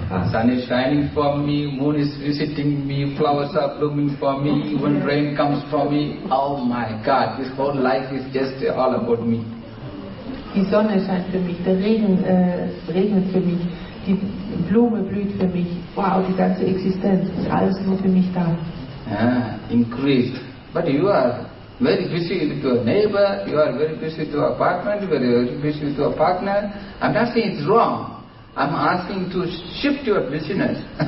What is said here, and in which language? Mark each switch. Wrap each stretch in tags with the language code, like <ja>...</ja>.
<en>Sun is shining for me, moon is visiting me, flowers are blooming for me, even rain comes for me. Oh my God, this whole life is just all about me.</en> <de>Die Sonne scheint für mich, der Regen regnet für mich, die Blume blüht für mich. Wow, die ganze Existenz ist alles nur für mich da.</de> <en>Yeah, increased. But you are very busy with your neighbor, you are very busy with your apartment, you are very busy with your partner. I'm not saying it's wrong. I'm asking to shift your business.</en>